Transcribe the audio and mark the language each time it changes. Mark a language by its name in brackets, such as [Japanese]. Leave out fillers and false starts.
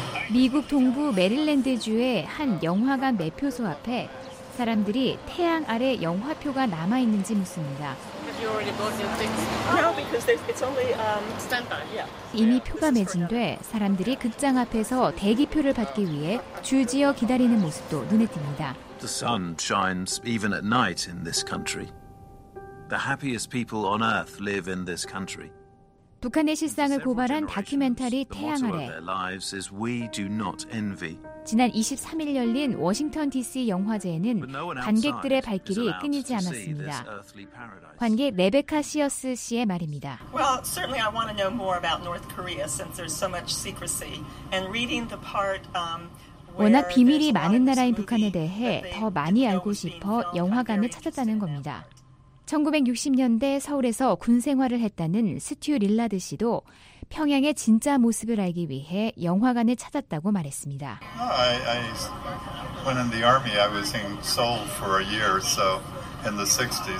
[Korean] 미국 동부 메릴랜드주의 한 영화관 매표소 앞에 사람들이 태양 아래 영화표가 남아있는지 묻습니다. 이미 표가 매진돼 사람들이 극장 앞에서 대기표를 받기 위해 줄지어 기다리는 모습도 눈에 띕니다. [English] The sun shines even at night in this country. The happiest people on earth live in this country. [Korean] 북한의 실상을 고발한 다큐멘터리 태양 아래. 지난 23일 열린 워싱턴 DC 영화제에는 관객들의 발길이 끊이지 않았습니다. 관객 레베카 시어스 씨의 말입니다. [English] Well, certainly I want to know more about North Korea since there's so much secrecy and reading the part [Korean] 워낙 비밀이 많은 나라인 북한에 대해 더 많이 알고 싶어 영화관을 찾았다는 겁니다. 1960년대 서울에서 군 생활을 했다는 스튜 릴라드 씨도 평양의 진짜 모습을 알기 위해 영화관을 찾았다고 말했습니다. [English] I went in the army. I was in Seoul for a year, so in the 60s.